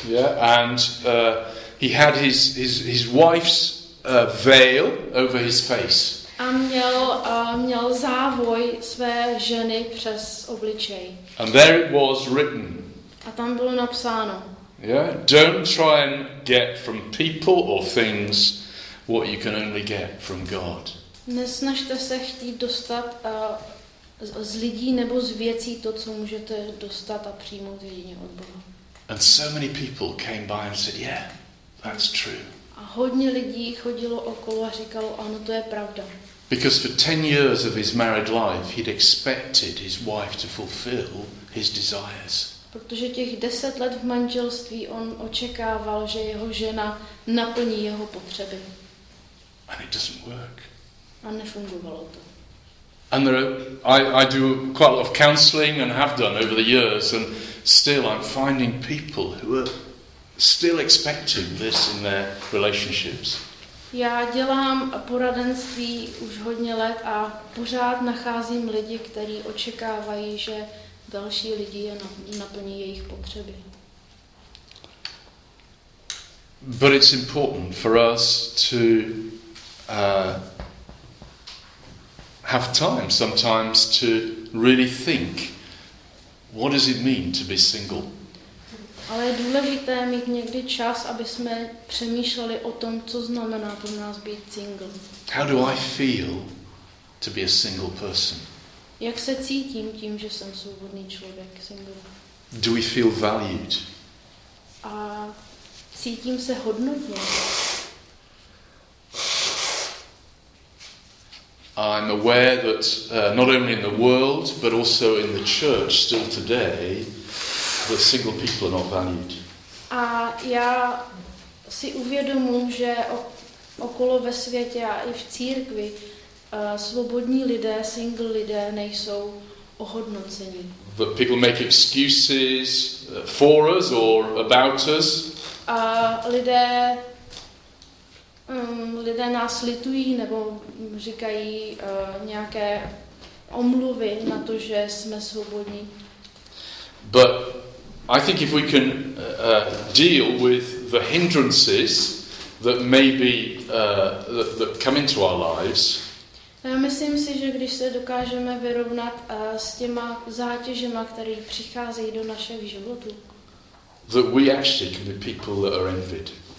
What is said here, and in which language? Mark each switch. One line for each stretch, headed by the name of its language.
English: Yeah, and he had his wife's veil over his face.
Czech: A měl závoj své ženy přes obličej.
English: And there it was written.
Czech: A tam bylo napsáno.
English: Yeah, don't try and get from people or things what you can only get from God.
Czech: Nesnažte se chtít dostat z lidí nebo z věcí to, co můžete dostat a přijmout jedině od Boha.
English: And so many people came by and said, yeah, that's true.
Czech: A hodně lidí chodilo okolo a říkalo, ano, to je pravda.
English: Because for 10 years of his married life, he'd expected his wife to fulfill his desires.
Czech: Protože těch 10 let v manželství on očekával, že jeho žena naplní jeho potřeby.
English: And it doesn't work.
Czech: A nefungovalo to.
English: And I do quite a lot of counseling and have done over the years, and still I'm finding people who are still expecting this in their relationships.
Czech: Já dělám poradenství už hodně let a pořád nacházím lidi, kteří očekávají, že další lidi naplní jejich potřeby.
English: But it's important for us to have time sometimes to really think, what does it mean to be single?
Czech: Ale je důležité mít někdy čas, aby jsme přemýšleli o tom, co znamená pro nás být single.
English: How do I feel to be a single person?
Czech: Jak se cítím tím, že jsem svobodný člověk, single?
English: Do we feel valued?
Czech: A cítím se hodnotně.
English: I'm aware that not only in the world, but also in the church still today, that single people are not valued.
Czech: A já si uvědomuji, že okolo ve světě a i v církvi svobodní lidé, single lidé nejsou ohodnoceni.
English: That people make excuses for us or about us.
Czech: A lidé lidé nás litují nebo říkají nějaké omluvy na to, že jsme svobodní.
English: But I think if we can deal with the hindrances that may be that come into our lives.
Czech: Já myslím si, že když se dokážeme vyrovnat s těma zátěžema, které přicházejí do našeho života.
English: That we actually can be people that are envied.